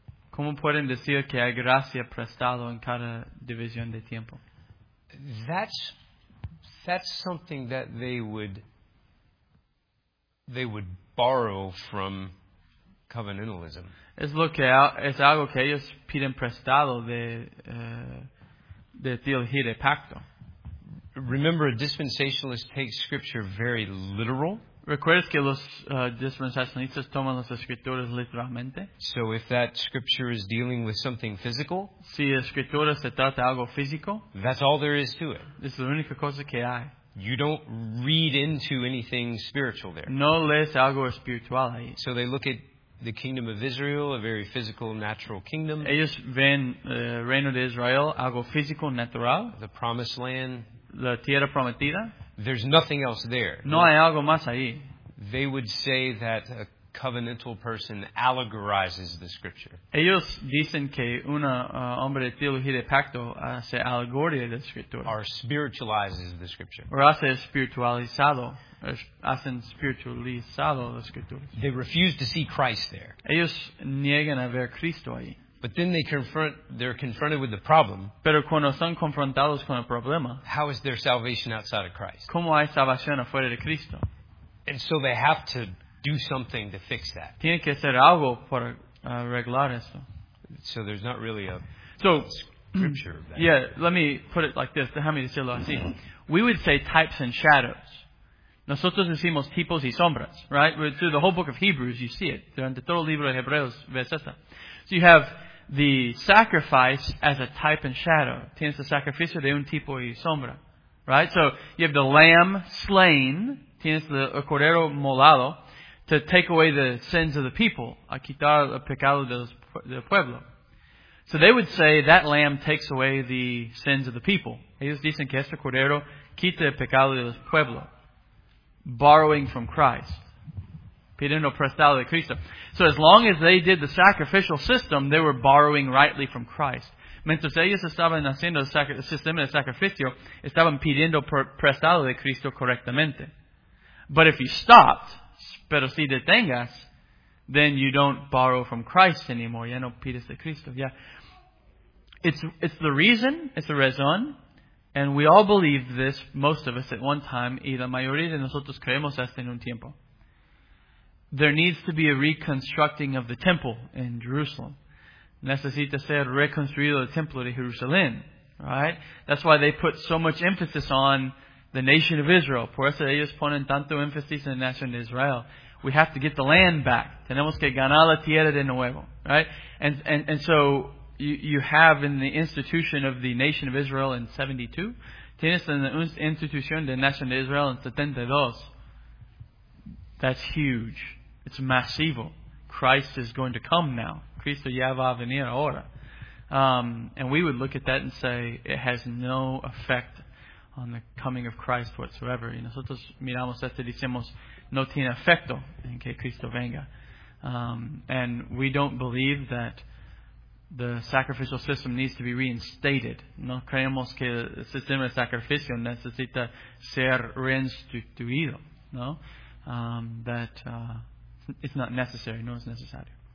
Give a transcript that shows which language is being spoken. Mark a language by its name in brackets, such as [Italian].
[Spanish] ¿Cómo pueden decir que hay gracia prestado en cada división de tiempo? [English] That's something that they would borrow from covenantalism. [Spanish] Es algo que ellos piden prestado de teología de pacto. [English] Remember, a dispensationalist takes scripture very literal. [Spanish] ¿Recuerdas que los dispensacionalistas toman las escrituras literalmente? [English] So if that scripture is dealing with something physical, [Spanish] si la escritura se trata de algo físico, [English] that's all there is to it. [Spanish] Es la única cosa que hay. [English] You don't read into anything spiritual there. [Spanish] No lees algo espiritual ahí. [English] So they look at the kingdom of Israel, a very physical, natural kingdom. [Spanish] Ellos ven reino de Israel, algo físico, natural. [English] The promised land. [Spanish] La tierra prometida. [English] There's nothing else there. [Spanish] No hay algo más ahí. [English] They would say that a covenantal person allegorizes the scripture. [Spanish] Ellos dicen que un hombre de teología de pacto hace alegoría de la escritura. [English] Or spiritualizes the scripture. [Spanish] O hace espiritualizado. Hacen espiritualizado las escrituras. [English] They refuse to see Christ there. [Spanish] Ellos niegan a ver Cristo ahí. [English] But then they're confronted with the problem. [Spanish] Pero cuando son confrontados con el problema, [English] how is their salvation outside of Christ? [Spanish] ¿Cómo hay salvación afuera de Cristo? [English] And so they have to do something to fix that. [Spanish] Tienen que hacer algo para arreglar eso. [English] So there's not really a scripture of that. Yeah, let me put it like this. [Spanish] Déjame decirlo así. [English] We would say types and shadows. [Spanish] Nosotros decimos tipos y sombras, [English] right? Through the whole book of Hebrews, you see it. [Spanish] Durante todo el libro de Hebreos, ves esto. [English] So you have the sacrifice as a type and shadow. [Spanish] Tienes el sacrificio de un tipo y sombra, right? [English] So you have the lamb slain. [Spanish] Tienes el cordero molado [English] to take away the sins of the people. [Spanish] A quitar el pecado del pueblo. [English] So they would say that lamb takes away the sins of the people. [Spanish] Ellos dicen que este cordero quita el pecado del pueblo. [English] Borrowing from Christ. [Spanish] Pidiendo prestado de Cristo. [English] So as long as they did the sacrificial system, they were borrowing rightly from Christ. [Spanish] Mientras ellos estaban haciendo el sistema de sacrificio, estaban pidiendo prestado de Cristo correctamente. [English] But if you stopped, [Spanish] pero si detengas, [English] then you don't borrow from Christ anymore. [Spanish] Ya no pides de Cristo. [English] Yeah. It's the reason, it's the razón. And we all believe this, most of us at one time, [Spanish] y la mayoría de nosotros creemos esto en un tiempo. [English] there needs to be a reconstructing of the temple in Jerusalem. [Spanish] Necesita ser reconstruido el templo de Jerusalén. Right? [English] That's why they put so much emphasis on the nation of Israel. [Spanish] Por eso ellos ponen tanto énfasis en la nación de Israel. [English] We have to get the land back. [Spanish] Tenemos que ganar la tierra de nuevo. [English] Right? And so you have in the institution of the nation of Israel in 72, [Spanish] tienes en la institución de la nación de Israel en 72. [English] That's huge. It's massivo. Christ is going to come now. [Spanish] Cristo ya va a venir ahora. [English] And we would look at that and say it has no effect on the coming of Christ whatsoever. [Spanish] Y nosotros miramos esto y decimos no tiene efecto en que Cristo venga. [English] And we don't believe that the sacrificial system needs to be reinstated. [Spanish] No creemos que el sistema de sacrificio necesita ser reinstituido. No? [English] That it's not necessary. [Spanish] No es necesario.